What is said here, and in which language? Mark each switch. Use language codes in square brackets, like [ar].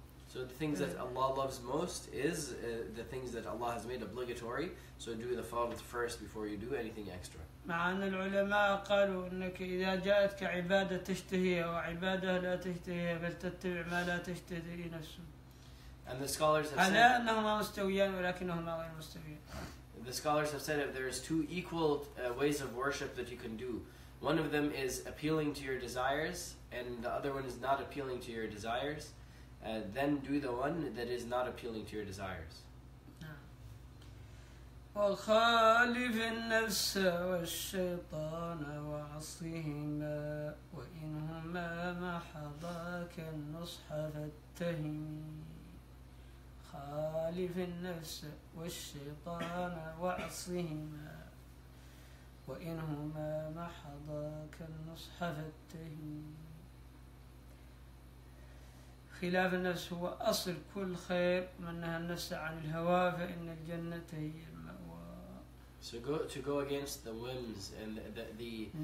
[en] So the things that Allah loves most is the things that Allah has made obligatory. So do the fard first before you do anything extra. [ar] معنا العلماء قالوا أنك إذا جاءتك عبادة تشتهيها وعبادة لا تشتهيها بل تتبع ما لا تشتهي نفسه. [en] And the scholars have said. [ar] على أنهما مستويان ولكنهما غير مستويان. [en] The scholars have said if there is two equal ways of worship that you can do, one of them is appealing to your desires, and the other one is not appealing to your desires. Then do the one that is not appealing to your desires. [ar] وخالف النفس والشيطان وعصيهما وإنهما ما حضاك النصح فاتهم خالف النفس والشيطان وعصيهما وإنهما ما حضاك النصح فاتهم خلاف النفس هو أصل كل خير منها النفس عن الهوى فإن الجنة هي المأوى. [en] So to go against the whims and the